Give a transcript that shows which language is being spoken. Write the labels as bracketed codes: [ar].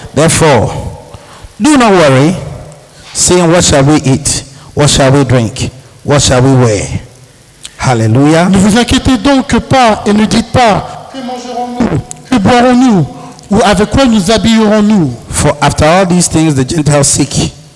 [en] Therefore, do not worry, saying, what shall we eat? What shall we drink? What shall we wear? Hallelujah. [fr] Ne vous inquiétez donc pas et ne dites pas, que mangerons-nous? Que boirons-nous? Ou avec quoi nous habillerons-nous? [en] For after all these things, the Gentiles seek.